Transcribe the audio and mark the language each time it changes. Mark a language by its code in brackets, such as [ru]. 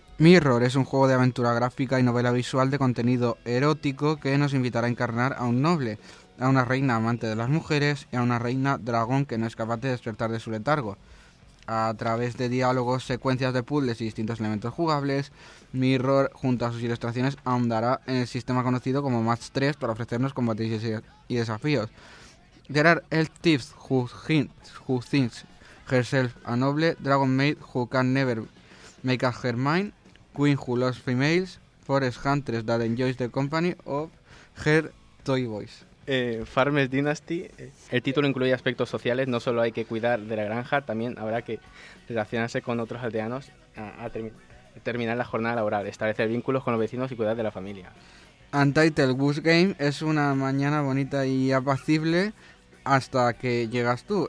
[es] Mirror es un juego de aventura gráfica y novela visual de contenido erótico que nos invitará a encarnar a un noble, a una reina amante de las mujeres y a una reina dragón que no es capaz de despertar de su letargo. A través de diálogos, secuencias de puzzles y distintos elementos jugables, Mirror, junto a sus ilustraciones, ahondará en el sistema conocido como Match 3 para ofrecernos combates y desafíos. [en] There are elf thieves who think herself a noble, dragon maid who can never make up her mind, Queen Who Loves Females, Forest Huntress That Enjoys the Company of Her Toy Boys. [es] Farmers Dynasty, el título incluye aspectos sociales, no solo hay que cuidar de la granja, también habrá que relacionarse con otros aldeanos a terminar la jornada laboral, establecer vínculos con los vecinos y cuidar de la familia. Untitled Goose Game es una mañana bonita y apacible hasta que llegas tú.